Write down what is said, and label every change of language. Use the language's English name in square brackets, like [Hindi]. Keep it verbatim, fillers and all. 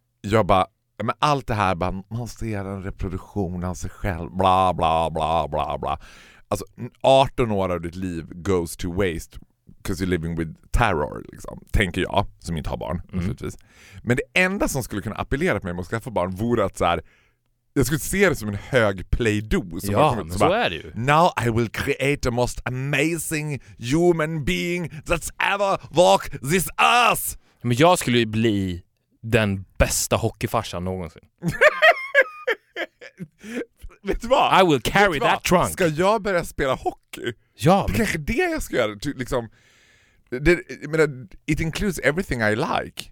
[Swedish] Jag bara, men allt det här, bara, man ser en reproduktion av sig själv, bla bla bla bla bla. Alltså arton år av ditt liv [English] goes to waste because you're living with terror, [Swedish] liksom, tänker jag, som inte har barn, mm. naturligtvis. Men det enda som skulle kunna appellera till mig med att skaffa barn vore att så här, jag skulle se det som en hög play-doh. Ja, bara, men så, så bara, är det ju. [English] Now I will create the most amazing human being that's ever walked this earth. [Swedish] Men jag skulle ju bli den bästa hockeyfarsan någonsin. Vet du vad? [English] I will carry that trunk. [Swedish] Ska jag börja spela hockey? Ja, det är kanske det jag ska göra. Ty, liksom, det, jag menar, [English] it includes everything I like.